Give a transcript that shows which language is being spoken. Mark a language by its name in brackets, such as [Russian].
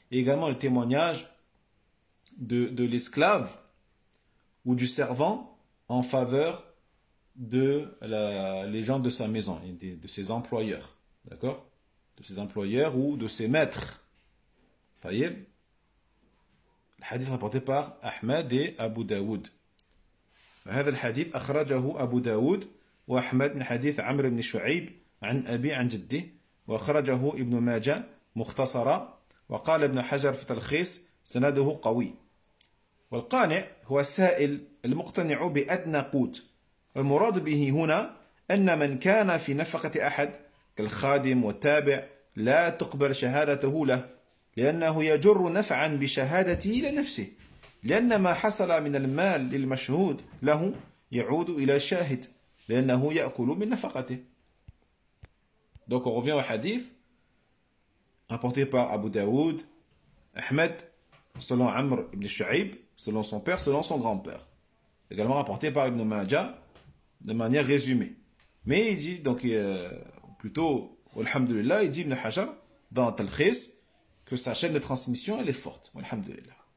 [French] Également le témoignage de l'esclave ou du servant en faveur de les gens de sa maison et de ses employeurs. D'accord? De ses employeurs ou de ses maîtres. Tayyib. Le hadith rapporté par Ahmed et Abu Daoud. [Arabic] هذا الحديث أخرجه أبو داود وأحمد من حديث عمرو بن شعيب عن أبي عن جده وأخرجه ابن ماجة مختصرا وقال ابن حجر في تلخيص سنده قوي والقانع هو السائل المقتنع بأدنى قوت المراد به هنا أن من كان في نفقة أحد كالخادم والتابع لا تقبل شهادته له لأنه يجر نفعا بشهادته لنفسه لأن ما حصل من المال للمشهود له يعود إلى الشاهد لأنه يأكل من نفقته. [French] Donc on revient au hadith rapporté par Abu Daoud, Ahmed, selon Amr ibn Shu'aib, selon son père, selon son grand-père. Également rapporté par Ibn Majah, de manière résumée. Mais il dit, donc plutôt, Alhamdulillah, il dit Ibn Hajar, dans Talkhis, que sa chaîne de transmission, elle est forte. Alhamdulillah.